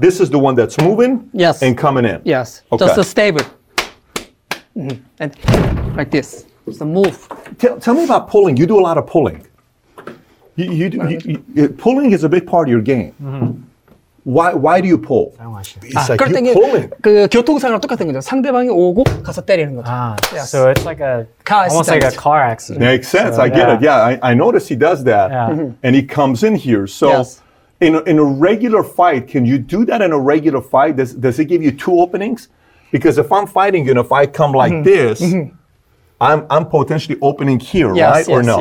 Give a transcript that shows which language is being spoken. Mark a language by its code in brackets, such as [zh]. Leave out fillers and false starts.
[en] This is the one that's moving. Yes. And coming in. Yes. Okay. Just a stable. Mm-hmm. And like this. It's a move. Tell me about pulling. You do a lot of pulling. You pulling is a big part of your game. Mm-hmm. Why do you pull? It's like you're pulling. [ko] 그 교통사고랑 똑같은 거죠. 상대방이 오고 가서 때리는 거죠. [en] So it's like almost like a car accident. Makes sense. So, I get it. Yeah, I notice he does that. Yeah. And he comes in here. So in a regular fight, can you do that in a regular fight? Does it give you two openings? Because if I'm fighting you and if I come like this, I'm potentially opening here, or no?